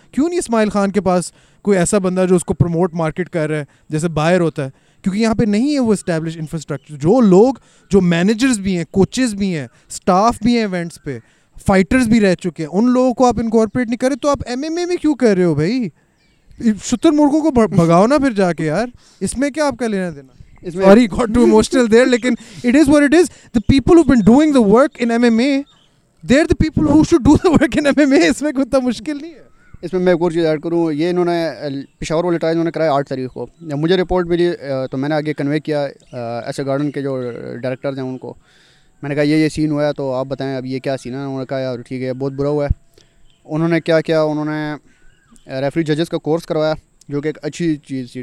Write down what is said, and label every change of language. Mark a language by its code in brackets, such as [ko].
[ur] کیوں نہیں اسماعیل خان کے پاس کوئی ایسا بندہ جو اس کو پروموٹ مارکیٹ کر رہا ہے جیسے باہر ہوتا ہے, کیونکہ یہاں پہ نہیں ہے وہ اسٹیبلش انفراسٹرکچر. جو لوگ جو مینیجرز بھی ہیں, کوچز بھی ہیں, اسٹاف بھی ہیں ایونٹس پہ, فائٹرز بھی رہ چکے ہیں, ان لوگوں کو آپ انکارپوریٹ نہیں کرے تو آپ ایم ایم اے میں کیوں کر رہے ہو بھائی؟ شتر مرغوں کو بھگاؤ نا پھر جا کے یار, اس میں کیا آپ کا لینا دینا. [en] Sorry, got too emotional there, [ur] لیکن [en] it is what it is. The people who've been doing the work in MMA, they're the people who should do the work in MMA. [ur] اس میں کوئی مشکل نہیں ہے. اس میں میں ایک اور چیز ایڈ کروں, یہ انہوں نے پشاور والے ٹرائل انہوں نے کرایا 8 تاریخ کو, جب مجھے رپورٹ ملی تو میں نے آگے کنوے کیا ایسے گارڈن کے جو ڈائریکٹرز ہیں ان کو, میں نے کہا یہ سین ہوا ہے تو آپ بتائیں اب یہ کیا سین ہے. انہوں نے کہا یار ٹھیک ہے بہت برا ہوا ہے. انہوں نے کیا انہوں نے ریفری ججز کا کورس کروایا جو کہ ایک اچھی چیز تھی.